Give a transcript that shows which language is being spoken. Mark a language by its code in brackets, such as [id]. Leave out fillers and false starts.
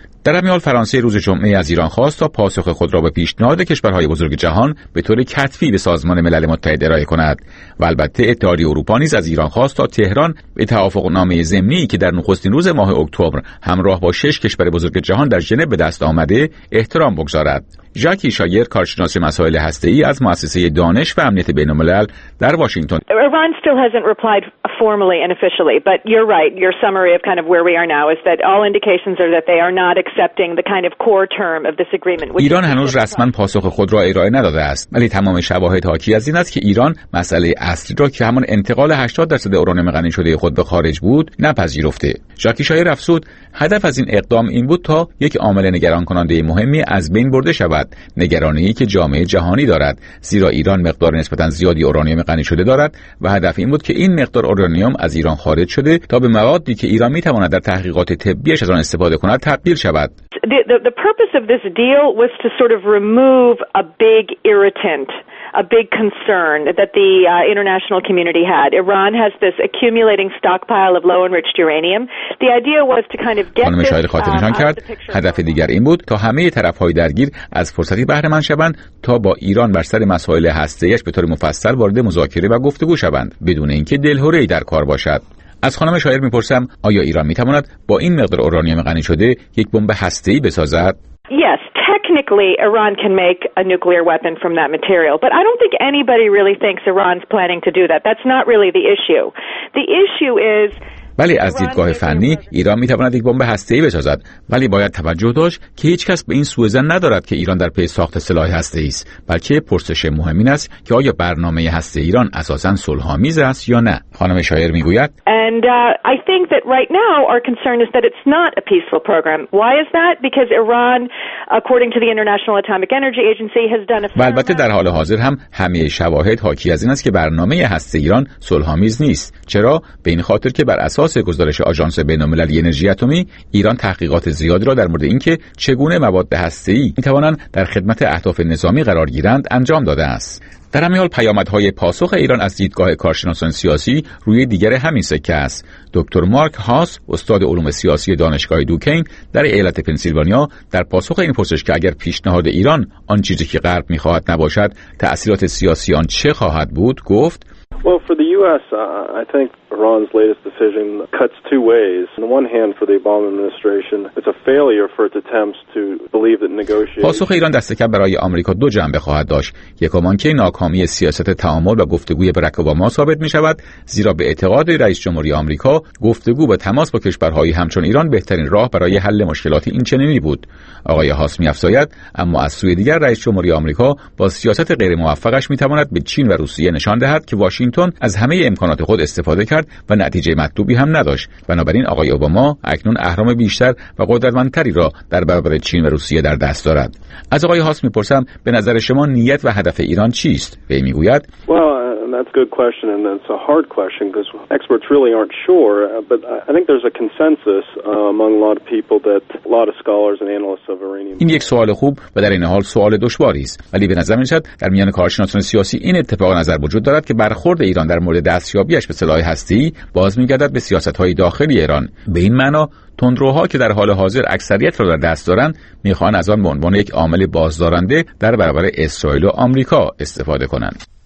[fa] در امیال فرانسه روز جمعه از ایران خواست تا پاسخ خود را به پیشنهاد کشورهای بزرگ جهان به طور کتبی به سازمان ملل متحد ارائه کند، و البته اتحادیه اروپا نیز از ایران خواست تا تهران به توافقنامه ضمنی که در نخستین روز ماه اکتبر همراه با 6 کشور بزرگ جهان در ژنو به دست آمده احترام بگذارد. ژاکی شایر، کارشناس مسائل هسته‌ای از مؤسسه دانش و امنیت بین‌الملل در واشنگتن. [en] Iran still hasn't replied formally and officially, but you're right. Your summary of kind of where we are now is that all indications are that they are not accepting the kind of core term of this agreement. [fa] ایران هنوز رسما پاسخ خود را ارائه نداده است، ولی تمام شواهد حاکی از این است که ایران مسئله اصلی را که همان انتقال 80% اورانیوم غنی شده خود به خارج بود نپذیرفته. ژاکی شایر افسود هدف از این اقدام این بود تا یک عامل نگران کننده مهمی از بین برده شود، نگرانی که جامعه جهانی دارد، زیرا ایران مقدار نسبتاً زیادی اورانیوم غنی شده دارد و هدف این بود که این مقدار اورانیوم از ایران خارج شده تا به موادی که ایران میتواند در تحقیقات طبیش از آن استفاده کند تبدیل شود. [en] The purpose of this deal was to sort of remove a big irritant, a big concern that the international community had. Iran has this accumulating stockpile of low enriched uranium. The idea was to kind of get this. [fa] خاطر نشان [en] out of the [fa] کرد. هدف دیگر این بود تا همه طرف‌های درگیر از فرصتی بهره مند شوند تا با ایران بر سر مسائل هسته‌ای‌اش به طور مفصل وارد مذاکره و گفتگو شوند بدون اینکه دلهره‌ای در کار باشد. از خانم شاعر می‌پرسم آیا ایران می‌تواند با این مقدار اورانیوم غنی شده یک بمب هسته‌ای بسازد؟ [en] Yes. Technically, Iran can make a nuclear weapon from that material, but I don't think anybody really thinks Iran's planning to do that. That's not really the issue. The issue is. [fa] بله، از دیدگاه فنی ایران میتواند یک بمب هسته‌ای بسازد، ولی باید توجه داشت که هیچ کس به این سوء ظن ندارد که ایران در پی ساخت سلاح هسته‌ای است، بلکه پرسش مهم این است که آیا برنامه هسته ایران اساساً صلح‌آمیز است یا نه. خانم شاعر میگوید [en] I think that right now our concern is that it's not a peaceful program. Why is that? Because Iran, according to the International Atomic Energy Agency, has done a [fa] و البته در حال حاضر هم همه شواهد حاکی از این است که برنامه هسته ایران صلح‌آمیز نیست. چرا؟ به این خاطر که بر اساس گزارش آژانس بین‌المللی انرژی اتمی، ایران تحقیقات زیادی را در مورد اینکه چگونه مواد هسته‌ای می‌توانند در خدمت اهداف نظامی قرار گیرند انجام داده است. در همین حال پیامدهای پاسخ ایران از دیدگاه کارشناسان سیاسی روی دیگر همین سکه است. دکتر مارک هاس، استاد علوم سیاسی دانشگاه دوکین در ایالت پنسیلوانیا، در پاسخ این پرسش که اگر پیشنهاد ایران آن چیزی که غرب می‌خواهد نباشد، تأثیرات سیاسی آن چه خواهد بود، گفت: [en] Well, for the U.S., I think Iran's latest decision cuts two ways. On the one hand, for the Obama administration, it's a failure for its attempts to believe that negotiation. [fa] پاسخ ایران دست کم برای آمریکا دو جنبه خواهد داشت. یکم آنکه ناکامی سیاست تعامل و گفتگوی براک اوباما ثابت می‌شود، زیرا به اعتقاد رئیس جمهوری آمریکا، گفتگو و تماس با کشورهایی همچون ایران بهترین راه برای حل مشکلات اینچنینی بود. آقای هاس می‌افزاید، اما از سوی دیگر رئیس جمهوری آمریکا با سیاست غیر موفقش می‌تواند به چین و روسیه نشان دهد که واشنگتن از همه امکانات خود استفاده کرد و نتیجه مطلوبی هم نداشت. بنابراین آقای اوباما اکنون اهرام بیشتر و قدرتمندتری را در برابر چین و روسیه در دست دارد. از آقای هاس می‌پرسم به نظر شما نیت و هدف ایران چیست؟ وی می‌گوید: [en] Well, And that's a good question, and it's a hard question because experts really aren't sure. But I think there's a consensus among a lot of people that a lot of scholars and analysts of Iranian. [fa] این یک سوال خوب و در این حال سوال دشواری است. ولی به نظر می‌رسد در میان کارشناسان سیاسی این اتفاق نظر وجود دارد که برخورد ایران در مورد دستیابیش به سلاح هسته‌ای باز می‌گردد به سیاست‌های داخلی ایران. به این معنا تندروها که در حال حاضر اکثریت را در دست دارند می‌خواهند از آن به عنوان یک عامل بازدارنده در برابر اسرائیل و آمریکا استفاده کنند.